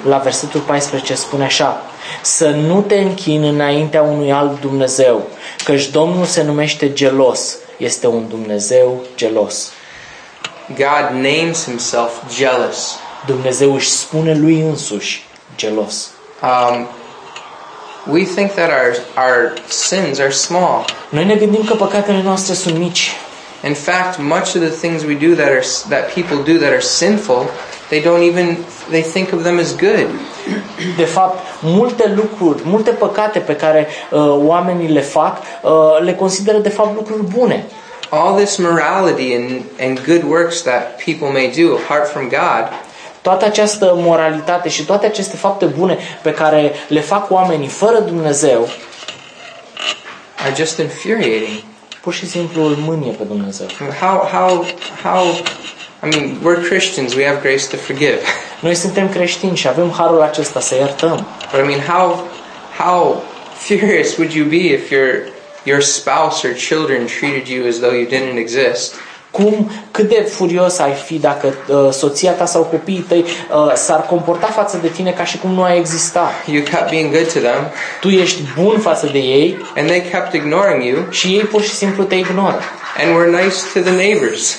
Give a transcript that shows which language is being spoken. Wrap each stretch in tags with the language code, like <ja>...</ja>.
<ro>la versetul 14 spune așa: să nu te închini înaintea unui alt Dumnezeu, căci Domnul se numește gelos, este un Dumnezeu gelos.</ro> <en>God names himself jealous.</en> <ro>Dumnezeu își spune lui însuși gelos.</ro> <en>We think that our sins are small.</en> <ro>Noi ne gândim că păcatele noastre sunt mici.</ro> <en>In fact, much of the things we do that people do that are sinful, they think of them as good.</en> <ro>De fapt, multe lucruri, multe păcate pe care oamenii le fac, le consideră de fapt lucruri bune.</ro> <en>All this morality and good works that people may do apart from God,</en> <ro>toată această moralitate și toate aceste fapte bune pe care le fac oamenii fără Dumnezeu</ro> <en>are just infuriating.</en> <ro>Pur și simplu îl mânie pe Dumnezeu.</ro> <en>How I mean, we're Christians, we have grace to forgive.</en> <ro>Noi suntem creștini și avem harul acesta să iertăm.</ro> <en>But I mean, how furious would you be if your spouse or children treated you as though you didn't exist?</en> <ro>Cum, cât de furios ai fi dacă soția ta sau copiii tăi s-ar comporta față de tine ca și cum nu ai exista?</ro> <en>You kept being good to them.</en> <ro>Tu ești bun față de ei.</ro> <en>And they kept ignoring you.</en> <ro>Și ei pur și simplu te ignoră.</ro> <en>And were nice to the neighbors.</en>